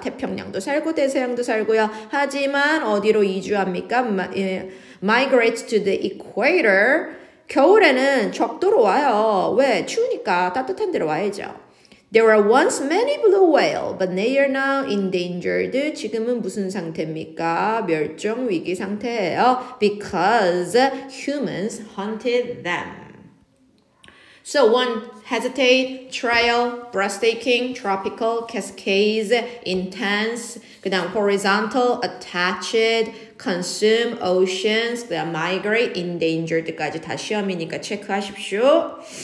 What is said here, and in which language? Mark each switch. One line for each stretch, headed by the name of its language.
Korean: 태평양도 살고 대서양도 살고요. 하지만 어디로 이주합니까?
English: Migrates to the equator.
Korean: 겨울에는 적도로 와요. 왜? 추우니까 따뜻한 데로 와야죠.
English: There were once many blue whales, but they are now endangered.
Korean: 지금은 무슨 상태입니까? 멸종 위기 상태예요.
English: Because humans hunted them. So one, hesitate, trial, breathtaking, tropical, cascades, intense, 그 다음 horizontal, attached, consume, oceans, 그 다음 migrate, endangered까지
Korean: 다 시험이니까 체크하십시오.